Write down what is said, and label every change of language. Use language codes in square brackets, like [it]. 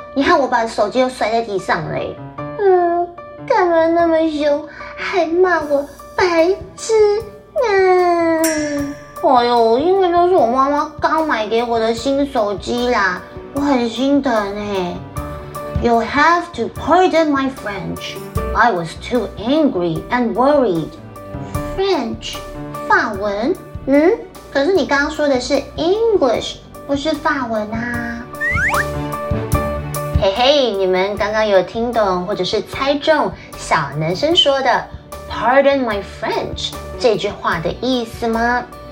[zh] 你看我把手机都摔在地上了。嗯，干嘛那么凶，还骂我白痴呢？哎呦，因为都是我妈妈刚买给我的新手机啦，我很心疼哎。 [en] You have to pardon my French. I was too angry and worried. [zh] French, 法文。嗯，可是你刚刚说的是 English， 不是法文啊。嘿嘿，你们刚刚有听懂或者是猜中小男生说的 [en] "Pardon my French" [zh] 这句话的意思吗？